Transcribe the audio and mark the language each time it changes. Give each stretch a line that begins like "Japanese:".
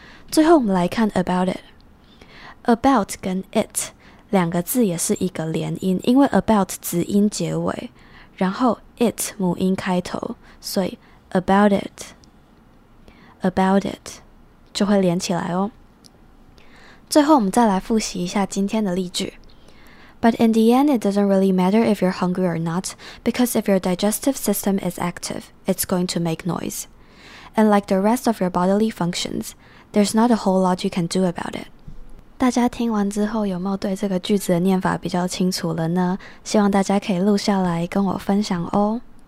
Chinese: 最后我们来看 about it， about 跟 it 两个字也是一个连音，因为 about 子音结尾，然后 it 母音开头，所以 about it， about it 就会连起来哦。最后我们再来复习一下今天的例句。
English: But in the end, it doesn't really matter if you're hungry or not, because if your digestive system is active, it's going to make noise. And like the rest of your bodily functions, there's not a whole lot you can do about it.
Chinese: 大家听完之后有没有对这个句子的念法比较清楚了呢？希望大家可以录下来跟我分享哦。